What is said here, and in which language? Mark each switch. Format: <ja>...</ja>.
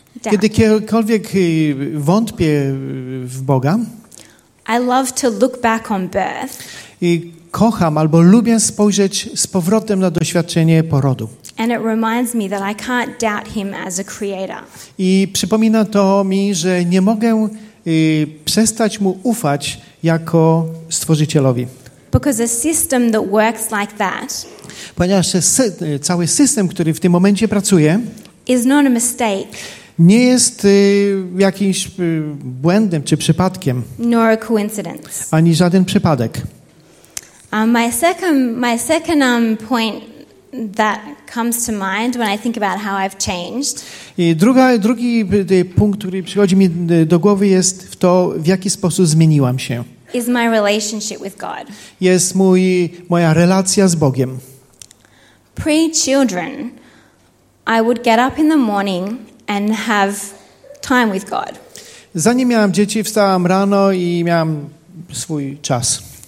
<pl>kiedykolwiek wątpię w Boga,</pl> <en>I love to look back on birth.</en> <pl>I kocham albo lubię spojrzeć z powrotem na doświadczenie porodu.</pl> <en>And it reminds me that I can't doubt him as a creator.</en> <pl>I przypomina to mi, że nie mogę przestać mu ufać jako stworzycielowi.</pl> <en>Because a system that works like that,</en> <pl>ponieważ cały system, który w tym momencie pracuje,</pl> <en>is not a mistake.</en> <pl>Nie jest jakimś błędem czy przypadkiem,</pl> <en>nor a coincidence.</en> <pl>Ani żaden przypadek.</pl> <en>My second point that comes to mind when I think about how I've changed.</en> <pl>Drugi punkt, który przychodzi mi do głowy, jest w to, w jaki sposób zmieniłam się.</pl> <en>Is my relationship with God.</en> <pl>Jest moja relacja z Bogiem.</pl> <en>Pre-children, I would get up in the morning and have time with God.</en> <pl>Zanim miałam dzieci, wstałam rano i miałam swój czas.</pl>